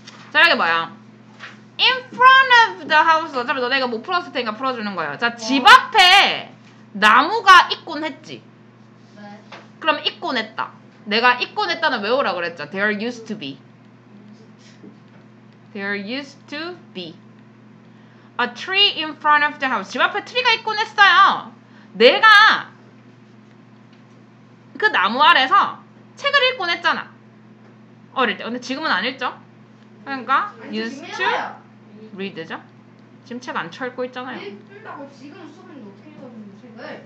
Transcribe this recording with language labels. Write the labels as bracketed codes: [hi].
[ko] 자, 이게 뭐야? [en] In front of the house. [ko] 어차피 너네가 못 풀었을 테니까 풀어주는 거예요. 자, 집 앞에 나무가 있곤 했지. 그럼 있곤 했다. 내가 있곤 했다는 외우라고 그랬죠. [en] There used to be. There used to be a tree in front of the house. [ko] 집 앞에 트리가 있곤 했어요. 내가 그 나무 아래서 책을 읽곤 했잖아. 어릴 때. 근데 지금은 안 읽죠. 그러니까 [en] used to read [ko] 죠. 지금 책 안 읽고 있잖아요. 읽다고 지금 수업인데 어떻게 읽었는데 책을?